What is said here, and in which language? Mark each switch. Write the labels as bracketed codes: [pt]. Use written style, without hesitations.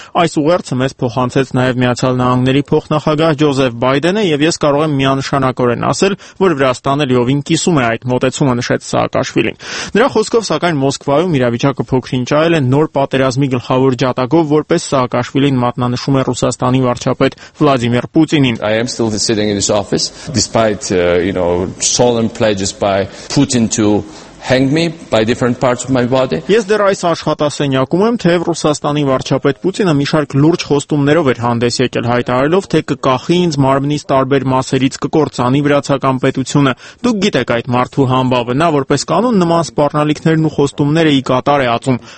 [hy] Այս ուղերձը մեզ փոխանցեց նաև Միացյալ Նահանգների փոխնախագահ Ջոզեֆ Բայդենը, և ես կարող եմ միանշանակ ակորեն ասել, որ Վրաստանը լիովին կիսում է այդ մոտեցումը, նշեց Սաակաշվիլին։ Նրա խոսքով, սակայն, Մոսկվայում իրավիճակը փոքրինչ այլ է, նոր պատերազմի գլխավոր ջատագով, որպես Սաակաշվիլին մատնանշում է Ռուսաստանի վարչապետ Վլադիմիր Պուտինին։ [en] I am still sitting in this office despite solemn pledges by Putin to hang me by different parts of my body. [hy] Ես դեռ այս աշխատասենյակում եմ, թեև Ռուսաստանի վարչապետ Պուտինը մի շարք լուրջ խոստումներով էր հանդես եկել, հայտարարելով, թե կկախի ինձ մարմնից տարբեր մասերից, կկործանի վրացական պետությունը։ Դուք գիտեք այդ մարդու համբավը, նա որպես կանոն նման սպառնալիքներն ու խոստումները ի կատար է ածում։